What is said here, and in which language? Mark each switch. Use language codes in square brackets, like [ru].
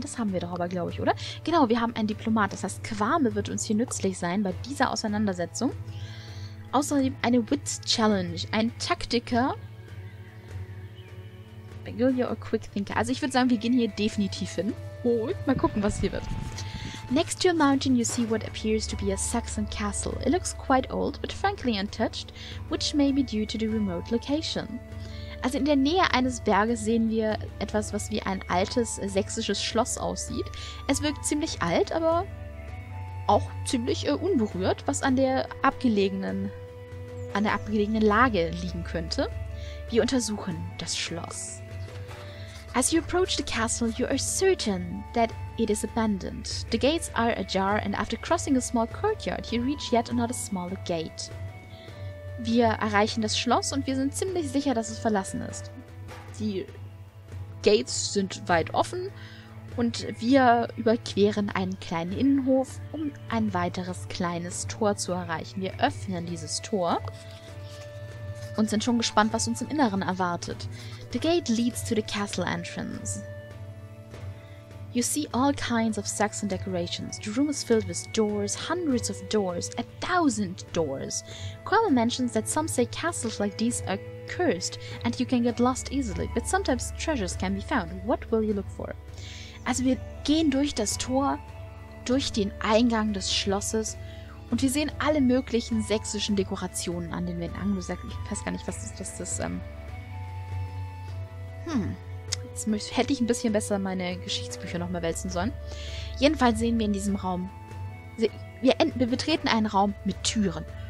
[de] Das haben wir doch aber, glaube ich, oder? Genau, wir haben einen Diplomat. Das heißt, Kwame wird uns hier nützlich sein bei dieser Auseinandersetzung. Außerdem eine Wit Challenge. Ein Taktiker. Beguiler or Quick Thinker. Also ich würde sagen, wir gehen hier definitiv hin. Oh, mal gucken, was hier wird. [en] Next to a mountain you see what appears to be a Saxon castle. It looks quite old, but frankly untouched, which may be due to the remote location. [de] Also in der Nähe eines Berges sehen wir etwas, was wie ein altes sächsisches Schloss aussieht. Es wirkt ziemlich alt, aber auch ziemlich unberührt, was an der abgelegenen Lage liegen könnte. Wir untersuchen das Schloss. [en] As you approach the castle, you are certain that it is abandoned. The gates are ajar, and after crossing a small courtyard, you reach yet another smaller gate. [de] Wir erreichen das Schloss und wir sind ziemlich sicher, dass es verlassen ist. Die Gates sind weit offen und wir überqueren einen kleinen Innenhof, um ein weiteres kleines Tor zu erreichen. Wir öffnen dieses Tor und sind schon gespannt, was uns im Inneren erwartet. [en] The gate leads to the castle entrance. You see all kinds of Saxon decorations. The room is filled with doors, hundreds of doors, 1,000 doors. Quella mentions that some say castles like these are cursed and you can get lost easily, but sometimes treasures can be found. What will you look for? [de] Also wir gehen durch das Tor, durch den Eingang des Schlosses und wir sehen alle möglichen sächsischen Dekorationen an den Wänden. Ich weiß gar nicht, was ist das? Jetzt hätte ich ein bisschen besser meine Geschichtsbücher nochmal wälzen sollen. Jedenfalls sehen wir in diesem Raum, wir betreten einen Raum mit Türen.